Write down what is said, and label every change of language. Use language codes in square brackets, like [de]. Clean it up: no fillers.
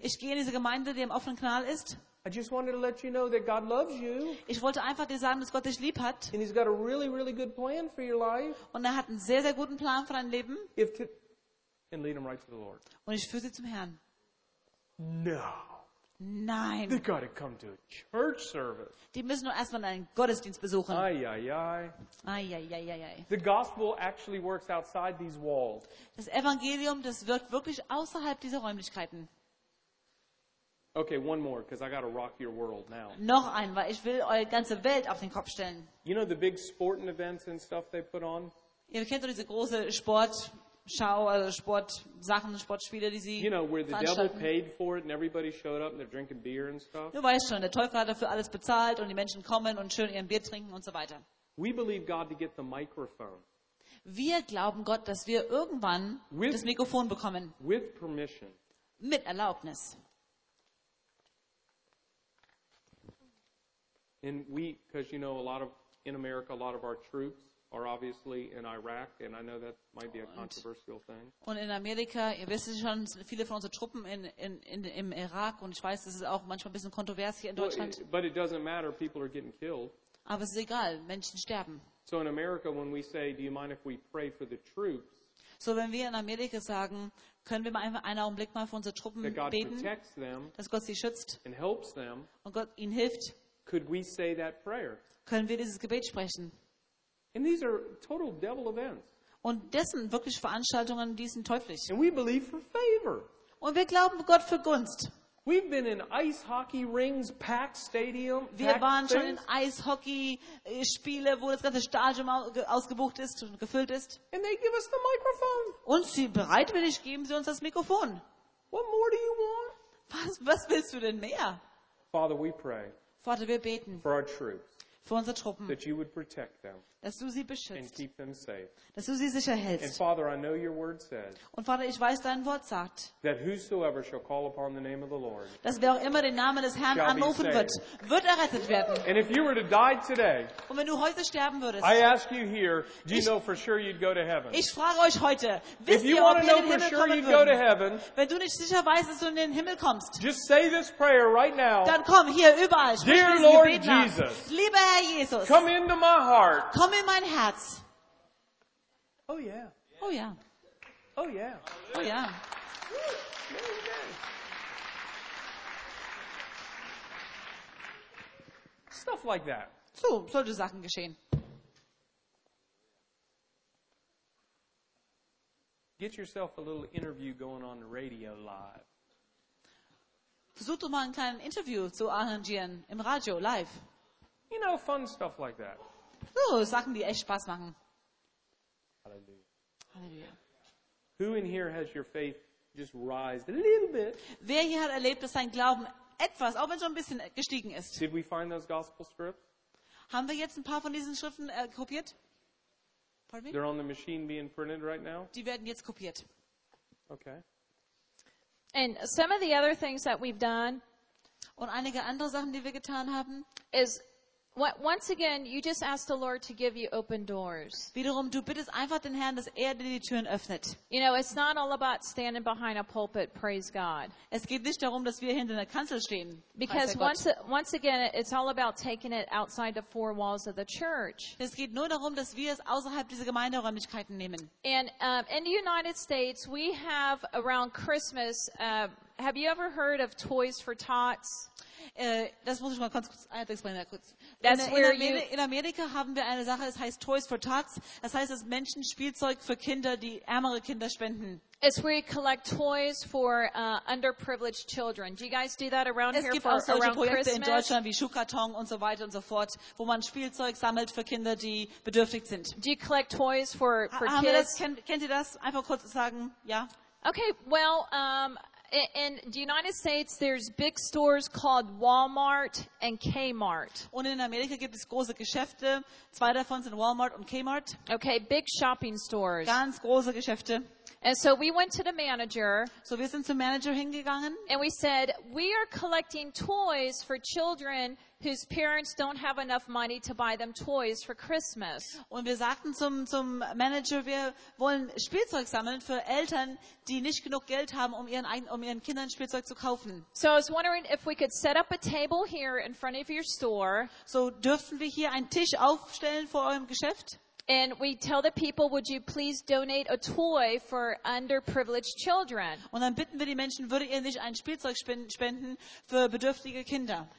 [de] Ich gehe in diese Gemeinde, die im offenen Kanal ist. [en] I just wanted to let you know that God loves you. [de] Ich wollte einfach dir sagen, dass Gott dich lieb hat. [en] And he's got a really, really good plan for your life. [de] Und er hat einen sehr, sehr guten Plan für dein Leben. [en] And lead him right to the Lord. [de] Und ich führe sie zum Herrn. [en] No. [de] Nein. [en] They got to come to a church service. [de] Die müssen nur erstmal einen Gottesdienst besuchen. Ai, ai, ai. Ai, ai, ai, ai, ai. [en] The gospel actually works outside these walls. [de] Das Evangelium, das wirkt wirklich außerhalb dieser Räumlichkeiten. [en] Okay, one more, because I got to rock your world now. [de] Noch ein, weil ich will eure ganze Welt auf den Kopf stellen. [en] You know the big sporting events and stuff they put on? [de] Ihr kennt doch diese große Sportschau, also Sportsachen, Sportspiele, die sie veranstalten. Du weißt schon, der Teufel hat dafür alles bezahlt und die Menschen kommen und schön ihren Bier trinken und so weiter. [en] We believe God to get the microphone. [de] Wir glauben Gott, dass wir irgendwann das Mikrofon bekommen. [en] With permission. [de] Mit Erlaubnis. [en] And we, because you know, a lot of in America, a lot of our troops are obviously in Iraq, and I know that might be a controversial thing. [de] Und in Amerika, ihr wisst schon, viele von unseren Truppen im Irak, und ich weiß, das ist auch manchmal ein bisschen kontrovers hier in Deutschland. [en] But it doesn't matter. People are getting killed. [de] Aber es ist egal, Menschen sterben. [en] So in America, when we say, "Do you mind if we pray for the troops?" [de] So wenn wir in Amerika sagen, können wir mal einen Augenblick mal für unsere Truppen beten, dass Gott sie schützt [en] and helps them, [de] und Gott ihnen hilft. [en] Could we say that prayer? [de] Können wir dieses Gebet sprechen? [en] And these are total devil events. [de] Und das sind wirklich Veranstaltungen, die sind teuflisch. [en] And we believe for favor. [de] Und wir glauben Gott für Gunst. [en] We've been in ice hockey rings, packed stadium. [de] Wir waren schon in Eishockey Spiele, wo das ganze Stadion ausgebucht ist und gefüllt ist. [en] And they give us the microphone. [de] Und sie bereitwillig geben sie uns das Mikrofon. [en] What more do you want? [de] Was willst du denn mehr? [en] Father, we pray. [de] Vater, wir beten [en] for our troops, [de] für unsere Truppen, [en] that you would protect them, [de] dass du sie beschützt [en] and keep them safe, [de] dass du sie sicher hältst. [en] And Father, I know your word says, [de] und Vater, ich weiß, dein Wort sagt, [en] that whosoever shall call upon the name of the Lord, [de] dass wer auch immer den Namen des Herrn anrufen wird, wird errettet werden. [en] And if you were to die today, [de] und wenn du heute sterben würdest, [en] I ask you here, do you know for sure you'd go to heaven? [de] Ich frage euch heute, wisst ihr, ob ihr in den Himmel kommen würden? Wenn du nicht sicher weißt, dass du in den Himmel kommst, [en] just say this prayer right now, [de] dann komm hier überall, sprich dieses Gebet nach. Jesus, lieber Herr Jesus, [en] come into my heart, [de] komm in mein Herz. [en] Oh yeah. Oh yeah. Oh yeah. Oh yeah. Stuff like that. [de] So, solche Sachen geschehen. [en] Get yourself a little interview going on the radio live. [de] Versuch doch mal ein kleines Interview zu arrangieren im Radio live. [en] You know, fun stuff like that. [de] So, Sachen, die echt Spaß machen. Halleluja. [en] Who in here has your faith just rised a little bit? [de] Wer hier hat erlebt, dass sein Glauben etwas, auch wenn schon ein bisschen gestiegen ist? [en] Did we find those gospel scripts? [de] Haben wir jetzt ein paar von diesen Schriften kopiert? [en] Pardon me? They're on the machine being printed right now? [de] Die werden jetzt kopiert. [en] Okay. And some of the other things that we've done, [de] und einige andere Sachen, die wir getan haben, [en] ist, once again, you just ask the Lord to give you open doors. [de] Wiederum, du bittest einfach den Herrn, dass er dir die Türen öffnet. [en] You know, it's not all about standing behind a pulpit, praise God. [de] Es geht nicht darum, dass wir hinter einer Kanzel stehen. [en] Because once again, it's all about taking it outside the four walls of the church. [de] Es geht nur darum, dass wir es außerhalb dieser Gemeinderäumlichkeiten nehmen. [en] And in the United States, we have around Christmas. Have you ever heard of Toys for Tots? [de] Das muss ich mal kurz erklären. In Amerika haben wir eine Sache, es heißt Toys for Tots. Das heißt, es ist Menschenspielzeug für Kinder, die ärmere Kinder spenden. [en] It's where you collect toys for underprivileged children. Do you guys do that around here for around Christmas? [de] Es gibt auch solche Projekte in Deutschland wie Schuhkarton und so weiter und so fort, wo man Spielzeug sammelt für Kinder, die bedürftig sind. [en] Do you collect toys for kids? [de] Das, kennt ihr das? Einfach kurz sagen, ja. [en] Okay, well, in the United States, there's big stores called Walmart and Kmart. [de] Und in Amerika gibt es große Geschäfte. Zwei davon sind Walmart und Kmart. [en] Okay, big shopping stores. [de] Ganz große Geschäfte. [en] And so we went to the manager. [de] So wir sind zum Manager hingegangen. [en] And we said, we are collecting toys for children whose parents don't have enough money to buy them toys for Christmas. [de] Und wir sagten zum Manager, wir wollen Spielzeug sammeln für Eltern, die nicht genug Geld haben, um ihren Kindern Spielzeug zu kaufen. [en] So I was wondering if we could set up a table here in front of your store. [de] So dürfen wir hier einen Tisch aufstellen vor eurem Geschäft? [en] And we tell the people, would you please donate a toy for underprivileged children? [de] Und dann bitten wir die Menschen, würdet ihr nicht ein Spielzeug spenden für bedürftige Kinder?